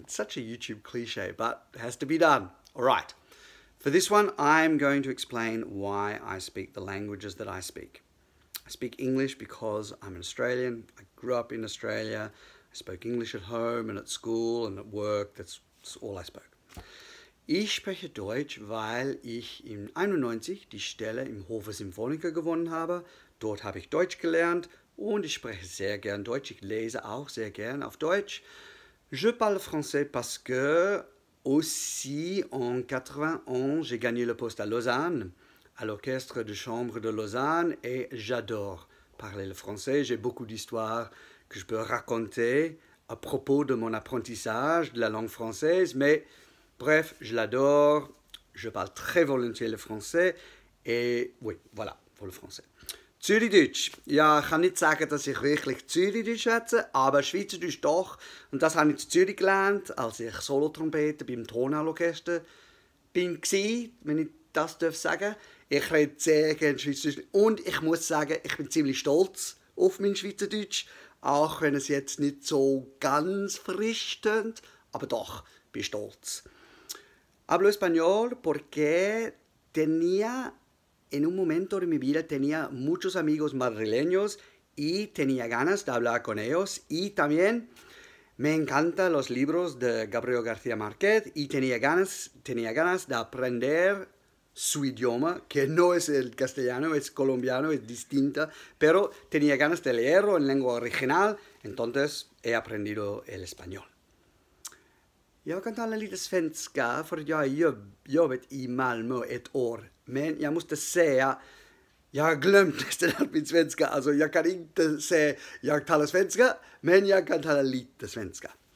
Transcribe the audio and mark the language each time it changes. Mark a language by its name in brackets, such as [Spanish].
[English] It's such a YouTube cliche, but it has to be done. All right. For this one, I'm going to explain why I speak the languages that I speak. I speak English because I'm an Australian. I grew up in Australia. I spoke English at home and at school and at work. That's all I spoke. [German] Ich spreche Deutsch, weil ich in 91 die Stelle im Hofer Symphoniker gewonnen habe. Dort habe ich Deutsch gelernt und ich spreche sehr gern Deutsch. Ich lese auch sehr gern auf Deutsch. [French] Je parle français parce que aussi en 91 j'ai gagné le poste à Lausanne, à l'orchestre de chambre de Lausanne, et j'adore parler le français. J'ai beaucoup d'histoires que je peux raconter à propos de mon apprentissage de la langue française, mais bref, je l'adore, je parle très volontiers le français, et oui, voilà, pour le français. [German] Zürichdeutsch. Ja, ich kann nicht sagen, dass ich wirklich Zürichdeutsch schätze, aber Schweizerdeutsch doch. Und das habe ich in Zürich gelernt, als ich Solotrompete beim Tonhallorchester bin, wenn ich das sagen darf. Ich rede sehr gerne Schweizerdeutsch und ich muss sagen, ich bin ziemlich stolz auf mein Schweizerdeutsch. Auch wenn es jetzt nicht so ganz frisch tönt, aber doch, bin stolz. [Spanish] Hablo español porque tenía en un momento de mi vida tenía muchos amigos madrileños y tenía ganas de hablar con ellos. Y también me encantan los libros de Gabriel García Márquez y tenía ganas de aprender su idioma, que no es el castellano, es colombiano, es distinta, pero tenía ganas de leerlo en lengua original, entonces he aprendido el español. [Swedish] Jag kan tala lite svenska, för jag har jobbat i Malmö ett år, men jag måste säga, jag har glömt nästan allt min svenska, alltså jag kan inte säga jag talar svenska, men jag kan tala lite svenska.